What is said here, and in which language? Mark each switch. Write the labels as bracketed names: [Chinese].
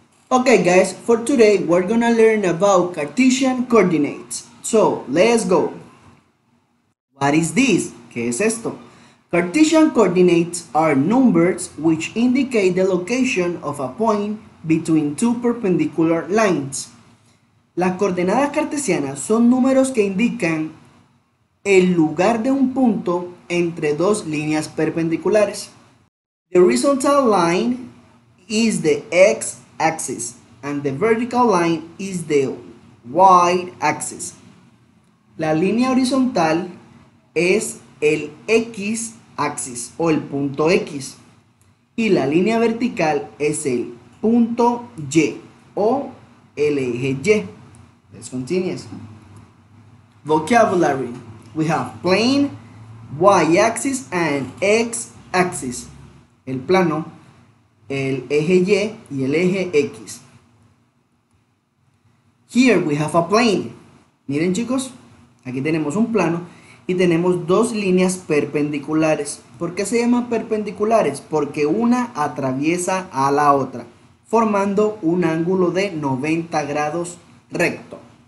[English] Okay, guys, for today, we're gonna learn about Cartesian coordinates. So, let's go. What is this? [Spanish] ¿Qué es esto? [English] Cartesian coordinates are numbers which indicate the location of a point between two perpendicular lines. [Spanish] Las coordenadas cartesianas son números que indican el lugar de un punto entre dos líneas perpendiculares. [English] The horizontal line is the x-axis and the vertical line is the y-axis. [Spanish] La línea horizontal es el x-axis o el punto x y la línea vertical es el punto y o el eje y. [English] Let's continue. Vocabulary. We have plane, y-axis, and x-axis. [Spanish] El plano, el eje y y el eje x. [English] Here we have a plane. [Spanish] Miren, chicos, aquí tenemos un plano y tenemos dos líneas perpendiculares. ¿Por qué se llaman perpendiculares? Porque una atraviesa a la otra, formando un ángulo de 90 grados recto.